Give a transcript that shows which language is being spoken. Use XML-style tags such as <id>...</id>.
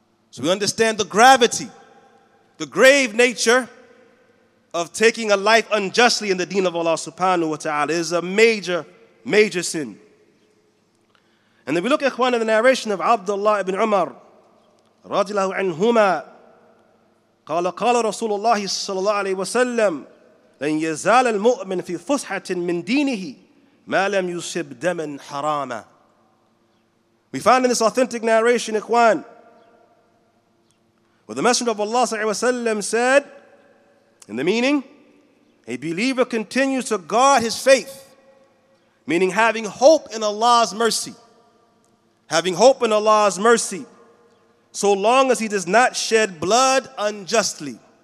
<en>So we understand the gravity, the grave nature of taking a life unjustly in the deen of Allah subhanahu wa ta'ala. It is a major, major sin. And then we look, ikhwan, at the narration of Abdullah ibn Umar radiallahu anhuma.</en> <ar>قال قال رسول الله صلى الله عليه وسلم لن يزال المؤمن في فسحة من دينه ما لم يصب دما حراما.</ar> <en>We find in this authentic narration, ikhwan, where the Messenger of Allah صلى الله عليه وسلم said, in the meaning, a believer continues to guard his faith, meaning having hope in Allah's mercy, having hope in Allah's mercy, so long as he does not shed blood unjustly.</en>